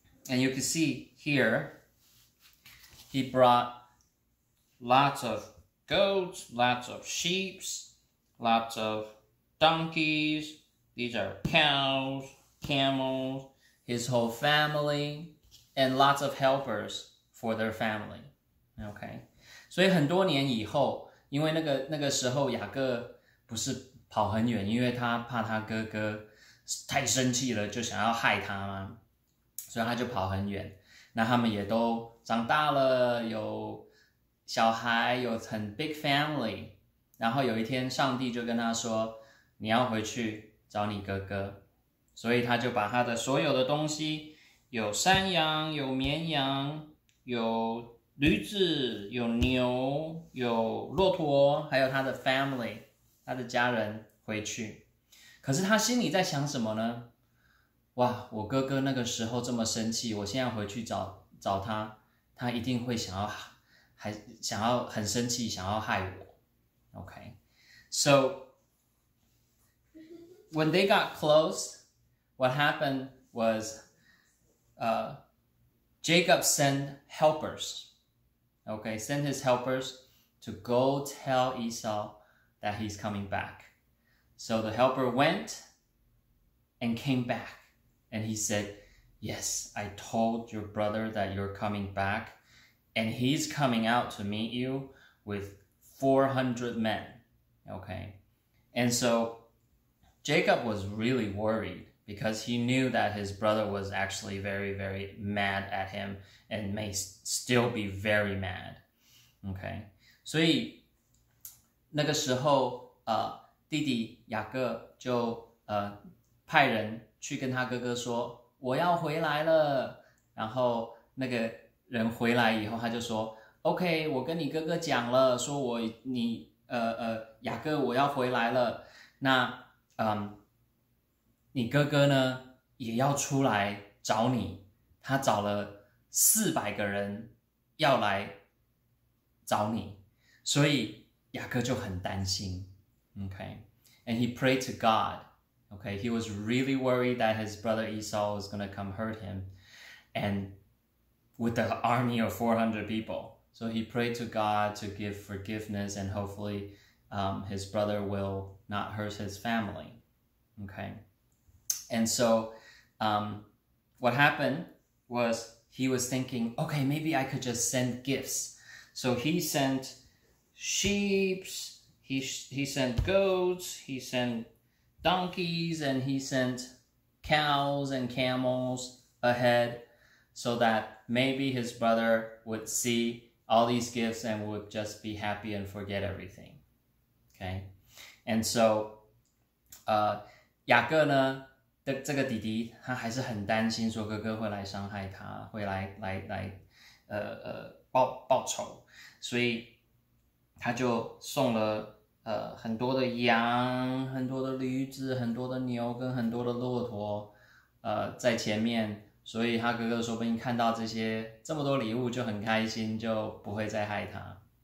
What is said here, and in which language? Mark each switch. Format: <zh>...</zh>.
<en>And you can see here, he brought lots of goats, lots of sheep, lots of donkeys. These are cows, camels, his whole family, and lots of helpers for their family, okay?</en> <zh>所以很多年以后，因为那个时候雅各不是跑很远，因为他怕他哥哥太生气了就想要害他嘛，所以他就跑很远。那他们也都长大了，有小孩，有很</zh> <en>big family。</en> <zh>然后有一天上帝就跟他说，你要回去找你哥哥。所以他就把他的所有的东西，有山羊，有绵羊，有驴子，有牛，有骆驼，还有他的 family，他的家人回去。可是他心里在想什么呢？哇，我哥哥那个时候这么生气，我现在回去找他，他一定会想要很生气，想要害我。</zh> <en>OK, so when they got close, what happened was Jacob sent helpers, okay, sent his helpers to go tell EsauThat he's coming back. So the helper went and came back. And he said, yes, I told your brother that you're coming back. And he's coming out to meet you with 400 men. Okay. And so Jacob was really worried because he knew that his brother was actually very, very mad at him and may still be very mad. Okay. So he...</en> <zh>那个时候弟弟雅各就派人去跟他哥哥说，我要回来了。然后那个人回来以后，他就说 OK, 我跟你哥哥讲了，说我你雅各我要回来了，那你哥哥呢也要出来找你。他找了400个人要来找你，所以雅各就很担心。</zh> <en>OK，and he prayed to God. Okay, he was really worried that his brother Esau was gonna come hurt him, and with the army of 400 people. So he prayed to God to give forgiveness, and hopefully, his brother will not hurt his family. Okay, and so, what happened was he was thinking, okay, maybe I could just send gifts. So he sent sheep, he sent goats, he sent donkeys, and he sent cows and camels ahead so that maybe his brother would see all these gifts and would just be happy and forget everything. Okay? And so,</en> <zh>雅各呢？这个弟弟他还是很担心，说哥哥会来伤害他，会来报仇，所以他就送了很多的羊、很多的驴子、很多的牛跟很多的骆驼，在前面，所以他哥哥说不定看到这些这么多礼物就很开心，就不会再害他。</zh>